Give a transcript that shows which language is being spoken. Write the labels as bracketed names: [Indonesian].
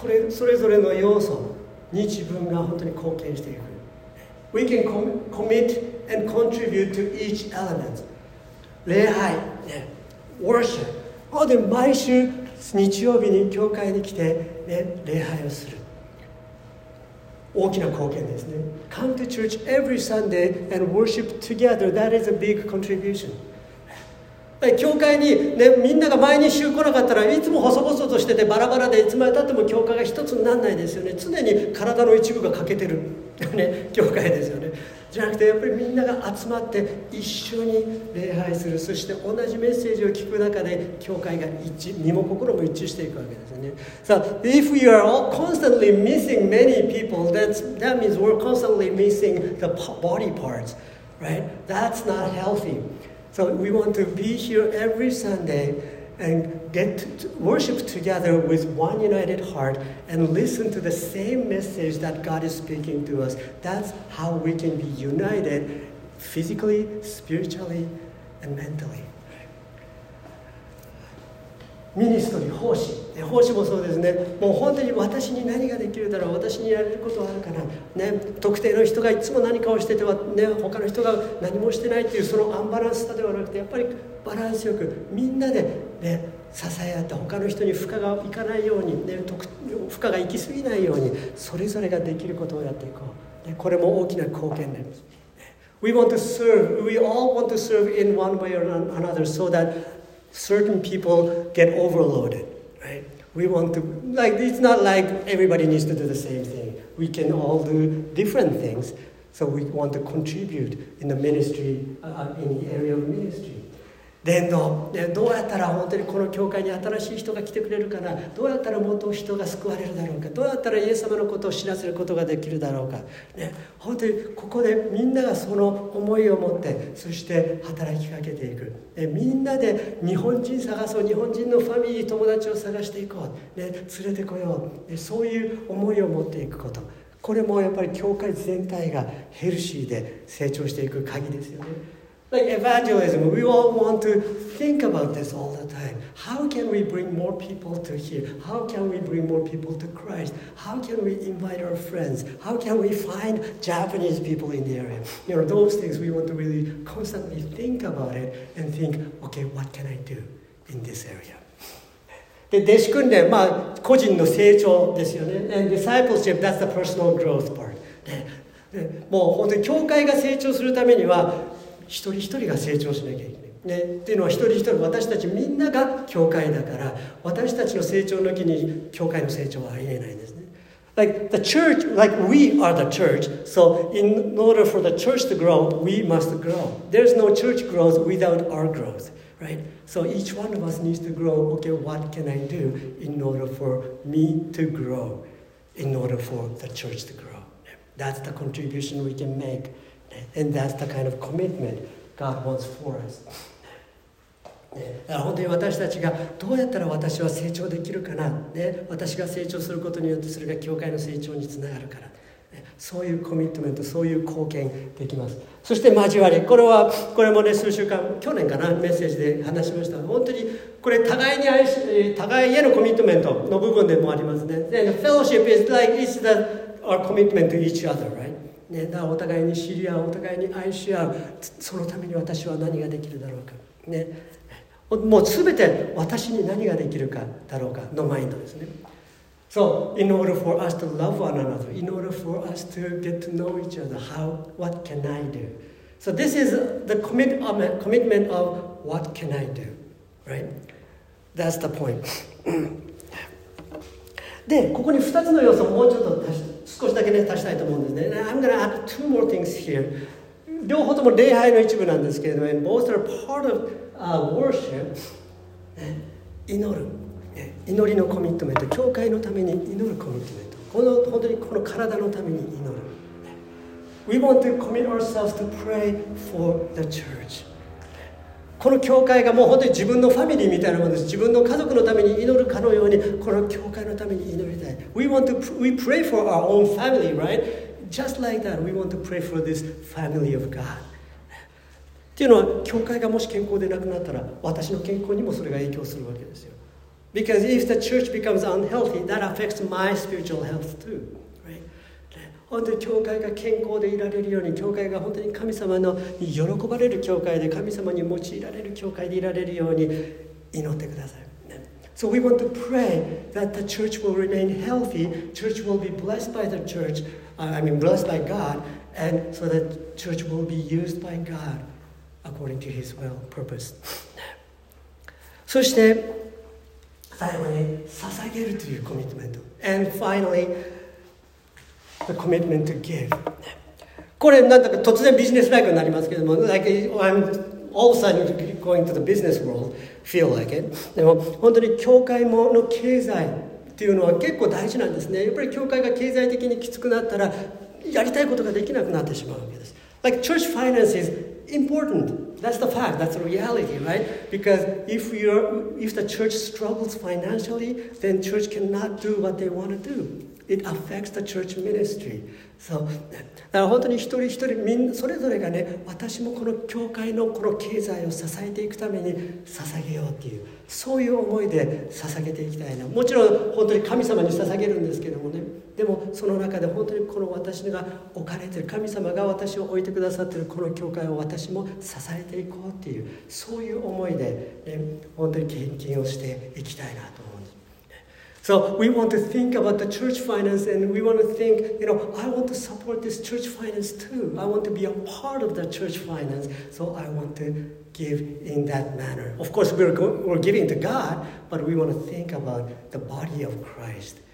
[Japanese] それぞれの要素に自分が本当に貢献していく。 [English] We can commit and contribute to each element. [Japanese] 礼拝、Worship. で毎週日曜日に教会に来て、ね、礼拝をする。大きな貢献ですね。 [English] Come to church every Sunday and worship together. That is a big contribution. [Japanese] 教会に、ね、みんなが毎日週来なかったらいつも細々としててバラバラで、いつまでたっても教会が一つにならないですよね。常に体の一部が欠けてる、ね、教会ですよね。じゃなくてやっぱりみんなが集まって一緒に礼拝する、そして同じメッセージを聞く中で教会が一致、身も心も一致していくわけですよね。 [English] So if we are all constantly missing many people, that means we're constantly missing the body parts, right? That's not healthy. So we want to be here every Sunday and get to worship together with one united heart and listen to the same message that God is speaking to us. That's how we can be united physically, spiritually, and mentally. [Japanese] Ministry, 奉仕。奉仕もそうですね。もう本当に私に何ができるだろう、私にやれることはあるかな、ね、特定の人がいつも何かをしてては、ね、他の人が何もしてないっていうそのアンバランスさではなくて、やっぱりバランスよくみんなで、ね、支え合って他の人に負荷がいかないように、ね、負荷が行き過ぎないようにそれぞれができることをやっていこう、ね、これも大きな貢献です。 [English] We want to serve. We all want to serve in one way or another so that certain people get overloaded. We want to, like, it's not like everybody needs to do the same thing. We can all do different things. So we want to contribute in the ministry, in the area of ministry. [Japanese] 伝道、ね、どうやったら本当にこの教会に新しい人が来てくれるかな、どうやったらもっと人が救われるだろうか、どうやったらイエス様のことを知らせることができるだろうか、ね、本当にここでみんながその思いを持ってそして働きかけていく、ね、みんなで日本人探そう、日本人のファミリー友達を探していこう、ね、連れてこよう、ね、そういう思いを持っていくこと、これもやっぱり教会全体がヘルシーで成長していく鍵ですよね。 [English] Like evangelism, we all want to think about this all the time. How can we bring more people to here? How can we bring more people to Christ? How can we invite our friends? How can we find Japanese people in the area? You know, those things we want to really constantly think about it and think, okay, what can I do in this area? [Japanese] で、弟子訓練、まあ、個人の成長ですよね。 [English] And discipleship, that's the personal growth part. [Japanese] で、もう本当に教会が成長するためには一人一人が成長しなきゃいけない、ね、っていうのは一人一人私たちみんなが教会だから、私たちの成長の木に教会の成長はありえないんですね。 [English] Like the church, like we are the church, so in order for the church to grow, we must grow. There's no church growth without our growth, right? So each one of us needs to grow. Okay, what can I do in order for me to grow, in order for the church to grow? That's the contribution we can make.And that's the kind of commitment God wants for us. [Japanese] ね、本当に私たちがどうやったら私は成長できるかな、ね、私が成長することによってそれが教会の成長につながるから、ね、そういうコミットメント、そういう貢献できます。そして交わり、これはこれもね、数週間去年かなメッセージで話しました。本当にこれ互いに愛し、互いへのコミットメントの部分でもありますね。 [English] Fellowship is like it's the, our commitment to each other, right? [Japanese] ね、だお互いに知り合う、お互いに愛し合う、そのために私は何ができるだろうか、ね、もう全て私に何ができるかだろうかのマインドですね。 [English] So in order for us to love one another, in order for us to get to know each other, how, what can I do? So this is the commitment of what can I do, right? That's the point. [Japanese] で、ここに2つの要素をもうちょっと足して少しだけ、ね、足したいと思うんですね。 [English] I'm going to add two more things here. [Japanese] 両方とも礼拝の一部なんですけれども、 [English] and both are part of worship. [Japanese] 祈る。祈りのコミットメント。教会のために祈るコミットメント。この本当にこの体のために祈る。 [English] We want to commit ourselves to pray for the church. [Japanese] この教会がもう本当に自分のファミリーみたいなものです。自分の家族のために祈るかのように、この教会のために祈りたい。 [English] We want to we pray for our own family, right? Just like that, we want to pray for this family of God. [Japanese] っていうのは、教会がもし健康でなくなったら、私の健康にもそれが影響するわけですよ。 [English] Because if the church becomes unhealthy, that affects my spiritual health too. [Japanese] 本当に教会が健康でいられるように、教会が本当に神様の喜ばれる教会で、神様に用いられる教会でいられるように祈ってください。 [English] So we want to pray that the church will remain healthy, church will be blessed by the church, blessed by God, and so that church will be used by God according to his will, purpose. [Japanese] そして最後に捧げるというコミットメント。 [English] And finallyThe commitment to give. [Japanese] これなんだか突然ビジネスライクになりますけども、 [English] like I'm all of a sudden going to the business world, feel like it. [Japanese] でも本当に教会もの経済っていうのは結構大事なんですね。やっぱり教会が経済的にきつくなったら、やりたいことができなくなってしまうわけです。 [English] Like church finance is important. That's the fact. That's the reality, right? Because if the church struggles financially, then church cannot do what they want to do. It affects the church ministry. [Japanese] So, だから本当に一人一人みんそれぞれがね、私もこの教会のこの経済を支えていくために捧げようっていう、そういう思いで捧げていきたいな。もちろん本当に神様に捧げるんですけどもね、でもその中で本当にこの私が置かれている、神様が私を置いてくださっているこの教会を私も支えていこうっていう、そういう思いで、ね、本当に献金をしていきたいなと。 [English] So we want to think about the church finance and we want to think, you know, I want to support this church finance too. I want to be a part of the church finance. So I want to give in that manner. Of course, we're giving to God, but we want to think about the body of Christ.